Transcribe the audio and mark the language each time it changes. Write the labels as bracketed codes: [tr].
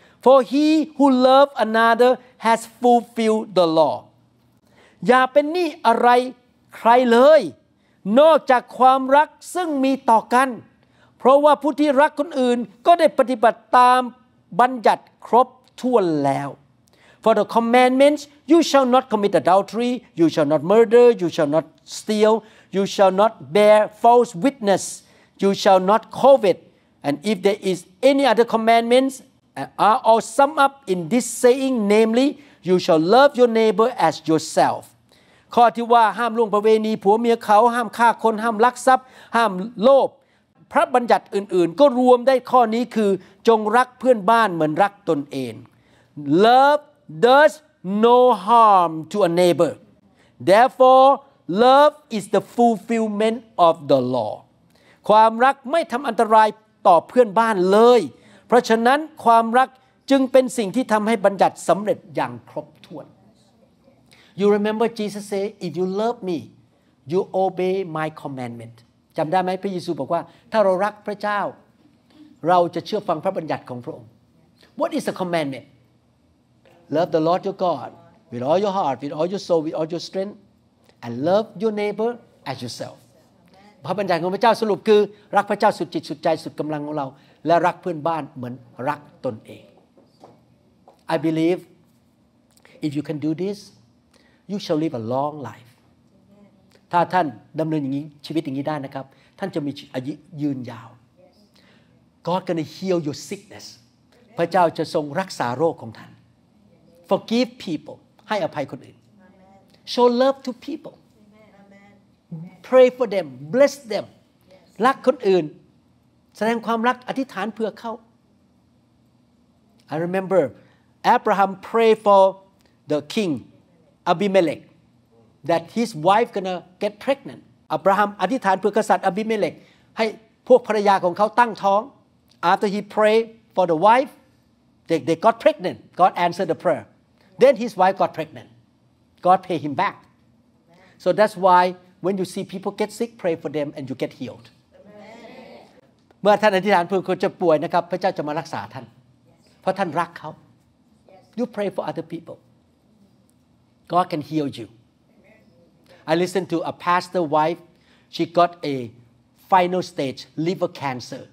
[en] For he who loves another has fulfilled the law. [th] อย่าเป็นหนี้อะไรใครเลยนอกจากความรักซึ่งมีต่อกันเพราะว่าผู้ที่รักคนอื่นก็ได้ปฏิบัติตามบัญญัติครบถ้วนแล้ว [en] For the commandments, you shall not commit adultery, you shall not murder, you shall not steal, you shall not bear false witness, you shall not covet. And if there is any other commandments, are all summed up in this saying, namely, you shall love your neighbor as yourself. [th] ข้อที่ว่าห้ามล่วงประเวณีผัวเมียเขาห้ามฆ่าคนห้ามลักทรัพย์ห้ามโลภพระบัญญัติอื่นๆก็รวมได้ข้อนี้คือจงรักเพื่อนบ้านเหมือนรักตนเอง [en] Love does no harm to a neighbor. Therefore, love is the fulfillment of the law. [th] ความรักไม่ทำอันตรายต่อเพื่อนบ้านเลยเพราะฉะนั้นความรักจึงเป็นสิ่งที่ทำให้บัญญัติสำเร็จอย่างครบถ้วน [en] You remember Jesus say, if you love me, you obey my commandment. [th] จำได้ไหมพระเยซูบอกว่าถ้าเรารักพระเจ้าเราจะเชื่อฟังพระบัญญัติของพระองค์ [en] What is the commandment? Love the Lord your God with all your heart, with all your soul, with all your strength, and love your neighbor as yourself. [th] พระบัญญัติของพระเจ้าสรุปคือรักพระเจ้าสุดจิตสุดใจสุดกำลังของเราและรักเพื่อนบ้านเหมือนรักตนเอง [en] I believe if you can do thisYou shall live a long life. [th] ถ้าท่านดำเนินอย่างนี้ชีวิตอย่างนี้ได้นะครับท่านจะมีอายุยืนยาว [en] God gonna heal your sickness. [th] พระเจ้าจะทรงรักษาโรคของท่าน [en] Forgive people. [th] ให้อภัยคนอื่น [en] Show love to people. Pray for them. Bless them. [th] รักคนอื่นแสดงความรักอธิษฐานเพื่อเขา [en] I remember Abraham prayed for the king. Abimelech, that his wife gonna get pregnant. [th] Abraham อธิษฐานเพื่อกษัตริย์ Abimelech ให้พวกภรรยาของเขาตั้งท้อง [en] After he prayed for the wife, they got pregnant. God answered the prayer. Then his wife got pregnant. God paid him back. So that's why when you see people get sick, pray for them and you get healed. [th] เมื่อท่านอธิษฐานเพื่อคนจะป่วยนะครับพระเจ้าจะมารักษาท่านเพราะท่านรักเขา [en] You pray for other peopleGod can heal you. I listened to a pastor wife. She got a final stage liver cancer.